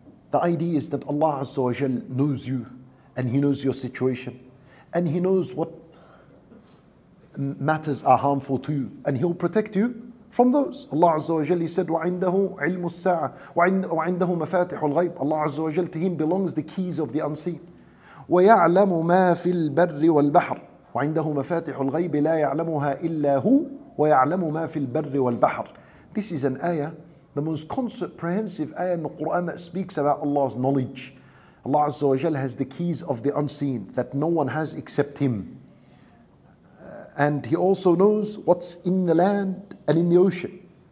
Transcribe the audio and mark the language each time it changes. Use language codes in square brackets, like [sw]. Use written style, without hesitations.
[en] The idea is that Allah Azza wa Jal knows you and He knows your situation and He knows what matters are harmful to you and He'll protect you from those. Allah Azza wa Jalla said, [ar] وَعِنْدَهُ عِلْمُ السَّاعَةِ وَعِنْدَهُ مَفَاتِحُ الْغَيْبِ. [en] Allah Azza wa Jalla, to Him belongs the keys of the unseen. [ar] ويعلم ما في البر والبحر. وعنده مفاتيح الغيب لا يعلمها إلا هو ويعلم ما في البر والبحر. [en] This is an ayah, the most comprehensive ayah in the Quran that speaks about Allah's knowledge. Allah Azza wa Jal has the keys of the unseen that no one has except Him. And He also knows what's in the land and in the ocean.